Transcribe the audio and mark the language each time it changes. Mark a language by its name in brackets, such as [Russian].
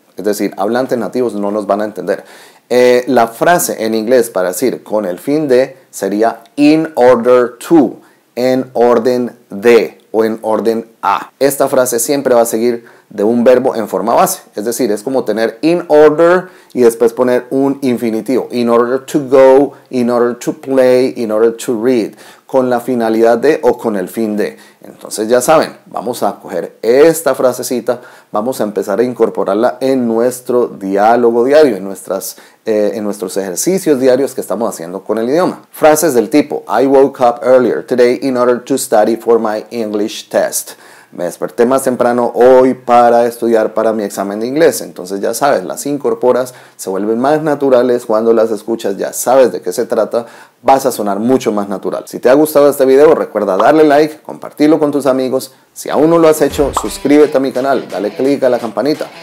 [Spanish] Es decir, hablantes nativos no nos van a entender. La frase en inglés para decir con el fin de sería [English] in order to, [Spanish] en orden de o en orden a. Esta frase siempre va a seguir de un verbo en forma base. Es decir, es como tener [English] in order [Spanish] y después poner un infinitivo. [English] In order to go, in order to play, in order to read. [Spanish] Con la finalidad de o con el fin de. Entonces ya saben, vamos a coger esta frasecita, vamos a empezar a incorporarla en nuestro diálogo diario, en nuestros ejercicios diarios que estamos haciendo con el idioma. Frases del tipo, [English] I woke up earlier today in order to study for my English test. [Spanish] Me desperté más temprano hoy para estudiar para mi examen de inglés. Entonces ya sabes, las incorporas, se vuelven más naturales cuando las escuchas, ya sabes de qué se trata, vas a sonar mucho más natural. Si te ha gustado este video, recuerda darle like, compartirlo con tus amigos. Si aún no lo has hecho, suscríbete a mi canal, dale click a la campanita.